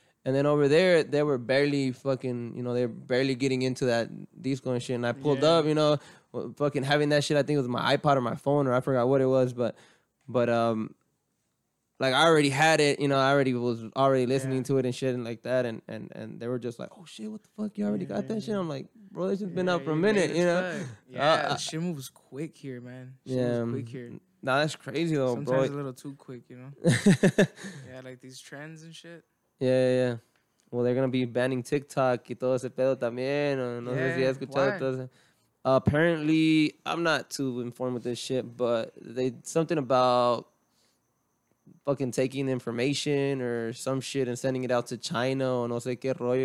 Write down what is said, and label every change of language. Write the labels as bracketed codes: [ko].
[en] And then over there, they were barely fucking, you know, they're barely getting into that disco and shit. And I pulled up, you know, fucking having that shit. I think it was my iPod or my phone, or I forgot what it was, but like, I already had it, you know, I already was already listening to it and shit and like that. And they were just like, oh shit, what the fuck? You already got that shit? I'm like, bro, this has been out for a minute, you know? Yeah, shit moves quick here, man. Nah, that's crazy though, sometimes, bro. Sometimes a little too quick, you know? Yeah, like these trends and shit. Yeah. Well, they're going to be banning TikTok [es] y todo ese pedo también. No sé si has escuchado todo eso. [en] Apparently, I'm not too informed with this shit, but they something about fucking taking information or some shit and sending it out to China or [es] no sé qué rollo.